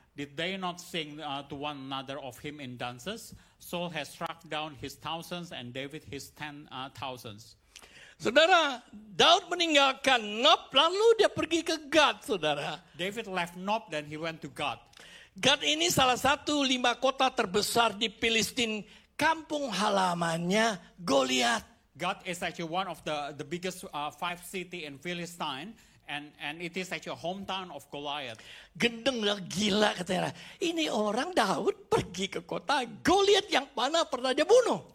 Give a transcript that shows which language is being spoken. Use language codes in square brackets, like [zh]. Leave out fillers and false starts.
[en] Did they not sing to one another of him in dances? Saul has struck down his thousands and David his 10,000s. [id] Saudara, Daud meninggalkan Nob, lalu dia pergi ke Gat, saudara. [en] David left Nob, then he went to Gat. [id] Gat ini salah satu 5 kota terbesar di Filistin, kampung halamannya Goliat. [en] Gat is actually one of the biggest 5 cities in Philistine, And it is actually a hometown of Goliath. [id] Gendeng lah, gila katanya. Ini orang Daud pergi ke kota Goliath yang mana pernah dia bunuh.